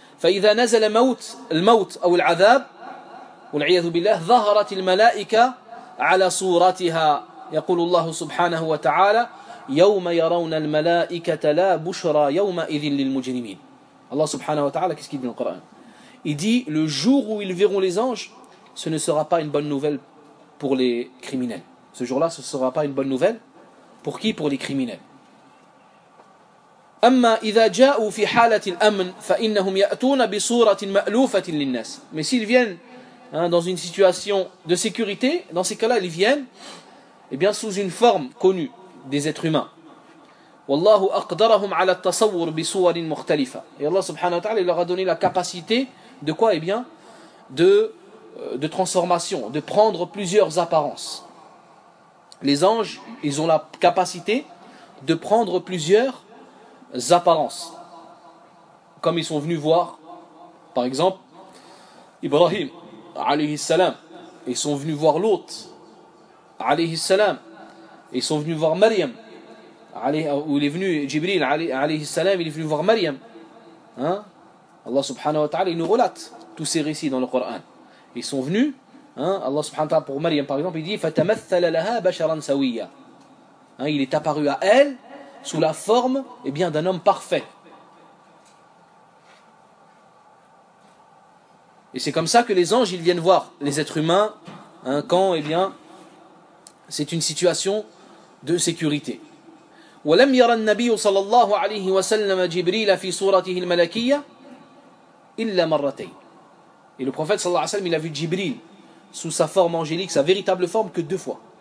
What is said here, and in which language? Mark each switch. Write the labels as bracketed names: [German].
[Arabic] فَإِذَا نَزَلَ مَوْتَ الْمَوْتَ أَوْ الْعَذَابَ وَالْعِيَذُ بِاللَّهِ ظَهَرَتِ الْمَلَائِكَةَ عَلَى صُورَتِهَا يَقُولُ اللَّهُ سُبْحَانَهُ وَتَعَالَى يَوْمَ يَرَوْنَ الْمَلَائِكَةَ لَا بُشْرَى يَوْمَئِذٍ لِلْمُجْرِمِينَ. [French] Allah [Arabic] subhanahu wa ta'ala, [French] qu'est-ce qu'il dit dans le Coran ? Il dit, le jour où ils verront les anges, ce ne sera pas une bonne nouvelle pour les criminels. Ce jour-là, ce ne sera pas une bonne nouvelle pour qui ? Pour les criminels. [Arabic] أما إذا جاءوا في حالة الأمن فإنهم يأتون بصورة مألوفة للناس. [French] Mais s'ils viennent hein, dans une situation de sécurité, dans ces cas-là, ils viennent eh bien, sous une forme connue des êtres humains. [Arabic] والله أقدرهم على التصور بصور مختلفة. [French] Et Allah [Arabic] subhanahu wa ta'ala [French] il leur a donné la capacité de quoi? Eh bien de transformation, de prendre plusieurs apparences. Les anges, ils ont la capacité de prendre plusieurs apparences. Comme ils sont venus voir, par exemple, Ibrahim [Arabic] alayhi salam, [French] ils sont venus voir Lot alayhi salam, ils sont venus voir Maryam. Où il est venu, Jibril, [Arabic] alayhi salam, [French] il est venu voir Maryam. Hein? Allah [Arabic] subhanahu wa ta'ala, [French] il nous relate tous ces récits dans le Coran. Ils sont venus, hein? Allah [Arabic] subhanahu wa ta'ala, [French] pour Maryam par exemple, il dit, [Arabic] فَتَمَثَّلَ لَهَا بَشَرًا سَوِيًّا. [French] Hein? Il est apparu à elle, sous la forme, eh bien, d'un homme parfait. Et c'est comme ça que les anges, ils viennent voir les êtres humains, hein, quand, eh bien, c'est une situation de sécurité. [Arabic] ولم يرى النبي صلى الله عليه وسلم جبريل في صورته الملكية إلا مرتين. [French] Et le prophète [Arabic] صلى الله عليه وسلم [French] il a vu Jibril sous sa forme angélique, sa véritable forme que deux fois.